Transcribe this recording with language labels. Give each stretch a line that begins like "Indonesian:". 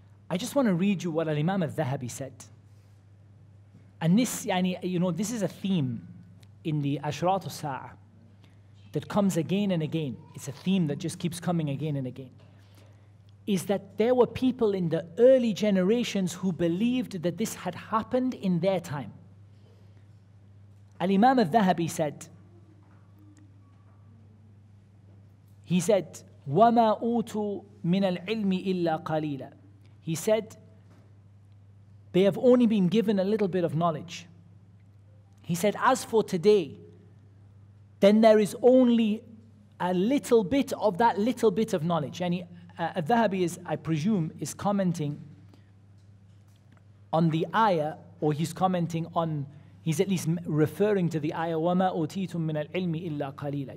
English: I just want to read you what Al-Imam al-Dhahabi said. And this, this is a theme in the Ashrat al-Sa'ah that comes again and again. It's a theme that just keeps coming again and again. Is that there were people in the early generations who believed that this had happened in their time. Al-Imam al-Dhahabi said,
Arabic: وَمَا أُوتُوا مِنَ الْعِلْمِ إِلَّا قَلِيلًا.
English: He said, they have only been given a little bit of knowledge. He said, as for today, then there is only a little bit of that little bit of knowledge. And Al-Dhahabi is, I presume, is commenting on the ayah, or he's at least referring to the ayah,
Arabic: وَمَا أُوتِيتُم مِّنَ الْعِلْمِ إِلَّا قَلِيلًا.